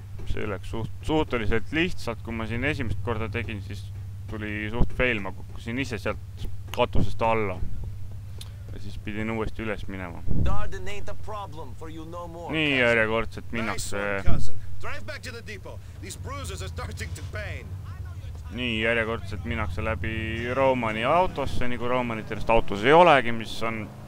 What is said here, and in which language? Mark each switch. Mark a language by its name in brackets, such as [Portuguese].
[Estonian] See läks suhteliselt lihtsalt, kui ma siin esimest korda tegin, siis tuli suht fail, ma kukkusin ise sealt katusest alla. Ja siis pidin uuesti üles minema. Nii järjekordselt minnakse [English] Drive back to the depot. These bruises are starting to pain. [Estonian] Nii, järjekordselt minnakse läbi Romani autosse, nii kui Romani tervest autos ei olegi, mis on...